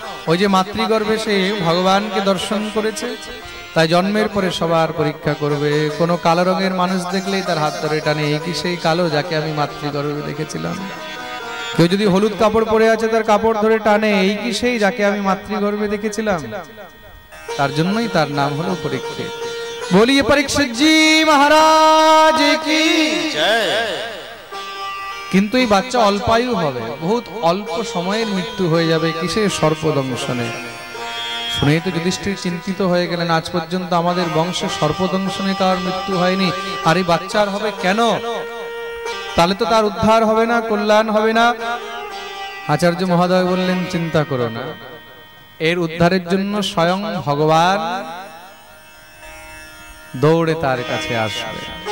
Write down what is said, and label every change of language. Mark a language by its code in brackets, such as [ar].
[bn] ওই যে মাতৃগর্ভে সে ভগবানকে দর্শন করেছে, তাই জন্মের পরে সবার পরীক্ষা করবে। কোন কালো রঙের মানুষ দেখলেই তার হাত ধরে টানে, এই কি সেই কালো যাকে আমি মাতৃগর্ভে দেখেছিলাম? কেউ যদি হলুদ কাপড় পরে আছে তার কাপড় ধরে টানে, এই কি সেই যাকে আমি মাতৃগর্ভে দেখেছিলাম? তার জন্যই তার নাম হলো পরীক্ষিত। [hi] बोलिए परीक्षित जी महाराज की जय। [bn] কিন্তু এই বাচ্চা অল্পায়ু হবে, বহুত অল্প সময়ের মৃত্যু হয়ে যাবে, কিসের সর্পদংশনে। শুনেই তো যুধিষ্ঠির চিন্তিত হয়ে গেলেন, আজ পর্যন্ত আমাদের বংশে সর্পদংশনে কার মৃত্যু হয়নি, আর এই বাচ্চার হবে কেন? তাহলে তো তার উদ্ধার হবে না, কল্যাণ হবে না। আচার্য মহোদয় বললেন, চিন্তা করো না, এর উদ্ধারের জন্য স্বয়ং ভগবান দৌড়ে তার কাছে আসবে।